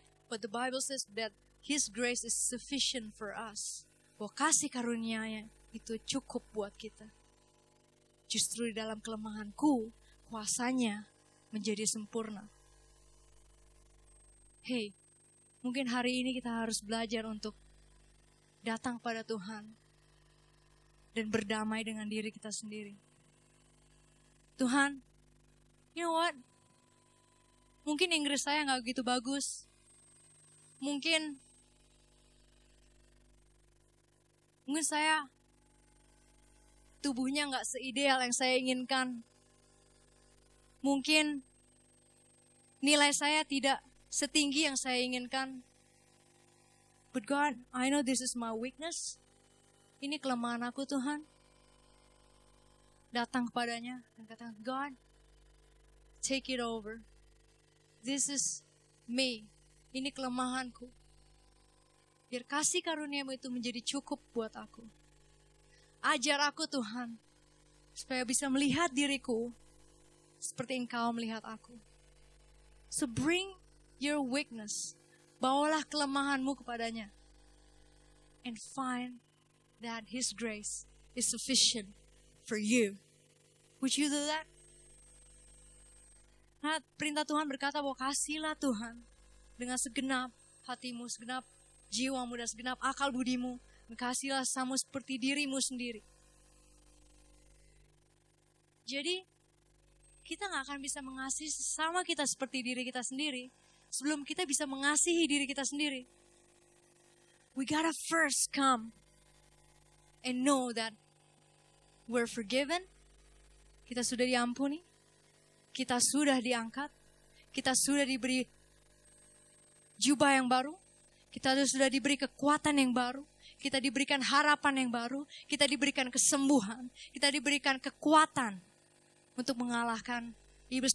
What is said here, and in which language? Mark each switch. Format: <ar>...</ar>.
<en>But the Bible says that His grace is sufficient for us.</en> <id>Bahwa kasih karunia-Nya itu cukup buat kita. Justru di dalam kelemahanku, kuasanya menjadi sempurna. Hey, mungkin hari ini kita harus belajar untuk datang pada Tuhan dan berdamai dengan diri kita sendiri. Tuhan,</id> <en>you know what?</en> <id>Mungkin Inggris saya gak begitu bagus. Mungkin saya tubuhnya gak seideal yang saya inginkan. Mungkin nilai saya tidak setinggi yang saya inginkan.</id> <en>But God, I know this is my weakness.</en> <id>Ini kelemahan aku, Tuhan. Datang kepadanya dan katakan,</id> <en>God, take it over. This is me.</en> <id>Ini kelemahanku. Biar kasih karunia-Mu itu menjadi cukup buat aku. Ajar aku, Tuhan, supaya bisa melihat diriku seperti Engkau melihat aku.</id> <en>So bring your weakness.</en> <id>Bawalah kelemahanmu kepadanya.</id> <en>And find that His grace is sufficient for you. Would you do that?</en> <id>Nah, perintah Tuhan berkata bahwa kasihlah Tuhan dengan segenap hatimu, segenap jiwamu, dan segenap akal budimu. Kasihlah sesamamu seperti dirimu sendiri. Jadi, kita gak akan bisa mengasihi sesama kita seperti diri kita sendiri sebelum kita bisa mengasihi diri kita sendiri.</id> <en>We gotta first come and know that we're forgiven.</en> <id>Kita sudah diampuni. Kita sudah diangkat. Kita sudah diberi jubah yang baru. Kita sudah diberi kekuatan yang baru. Kita diberikan harapan yang baru. Kita diberikan kesembuhan. Kita diberikan kekuatan untuk mengalahkan iblis.</id>